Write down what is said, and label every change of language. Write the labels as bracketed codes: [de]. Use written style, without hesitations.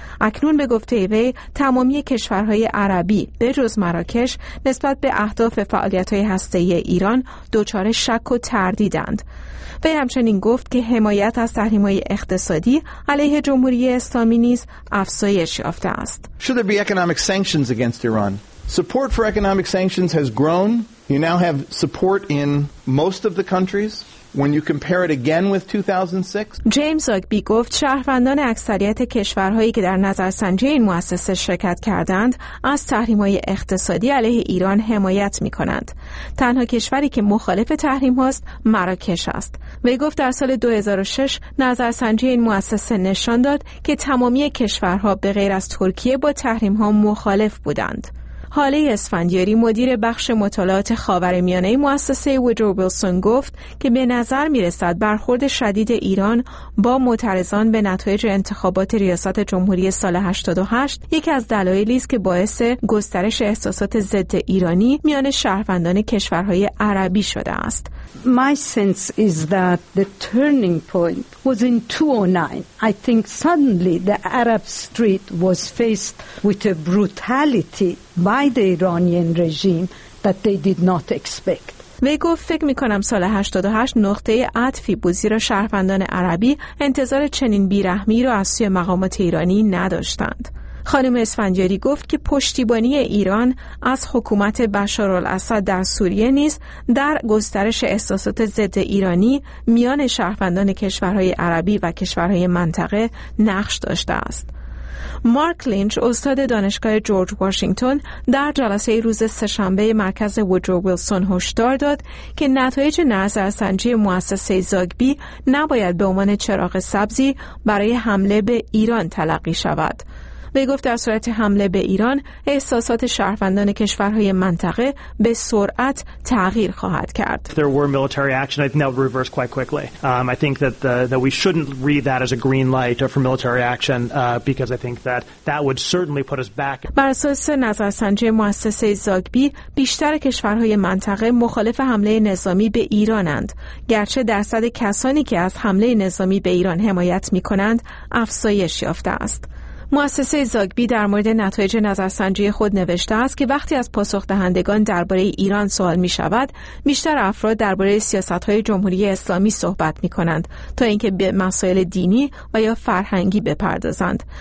[fa] اکنون به گفته وی تمامی کشورهای عربی به جز مراکش نسبت به اهداف فعالیت‌های هسته‌ای ایران دچار شک و تردیدند. وی همچنین گفت که حمایت از تحریم‌های اقتصادی علیه جمهوری اسلامی نیز افزایش یافته است. [en] Should there be economic sanctions against Iran? Support for economic sanctions has grown. You now have support in most of the countries. When you compare it again with 2006, [fa] James Zogby گفت شهروندان اکثریت کشورهایی که در نظرسنجی این مؤسسه شرکت کردند از تحریم‌های اقتصادی علیه ایران حمایت می‌کنند. تنها کشوری که مخالف تحریم هاست مراکش است. وی گفت در سال 2006 نظرسنجی این مؤسسه نشان داد که تمامی کشورها به غیر از ترکیه با تحریم‌ها مخالف بودند. حاله اسفندیاری، مدیر بخش مطالعات خاورمیانه مؤسسه وودرو ویلسون، گفت که به نظر می‌رسد برخورد شدید ایران با معترضان به نتایج انتخابات ریاست جمهوری سال 88 یکی از دلایلی است که باعث گسترش احساسات ضد ایرانی میان شهروندان کشورهای عربی شده است. [en] My sense is that the turning point was in 2009. I think suddenly the Arab street was faced with a brutality by the Iranian regime that they did not expect. [fa] وی گفت فکر میکنم سال 88 نقطه عطفی بود، زیرا شهروندان عربی انتظار چنین بیرحمی را از سوی مقامات ایرانی نداشتند. خانم اسفندیاری گفت که پشتیبانی ایران از حکومت بشارالاسد در سوریه نیز در گسترش احساسات ضد ایرانی میان شهروندان کشورهای عربی و کشورهای منطقه نقش داشته است. مارک لینچ، استاد دانشگاه جورج واشنگتن، در جلسه روز سه‌شنبه مرکز وودرو ویلسون هشدار داد که نتایج نظرسنجی مؤسسه زاگبی نباید به عنوان چراغ سبزی برای حمله به ایران تلقی شود. وی گفت در صورت حمله به ایران، احساسات شهروندان کشورهای منطقه به سرعت تغییر خواهد کرد. [en] There were military action, I think that would reverse quite quickly. I think that that we shouldn't read that as a green light for military action because I think that would certainly put us back. [fa] بر اساس نظرسنجی مؤسسه زاگبی، بیشتر کشورهای منطقه مخالف حمله نظامی به ایرانند. گرچه درصد کسانی که از حمله نظامی به ایران حمایت می‌کنند، افزایش یافته است. مؤسسه زاگبی در مورد نتایج نظرسنجی خود نوشته است که وقتی از پاسخ دهندگان درباره ایران سوال می شود، بیشتر افراد درباره سیاست های جمهوری اسلامی صحبت می کنند تا اینکه به مسائل دینی و یا فرهنگی بپردازند.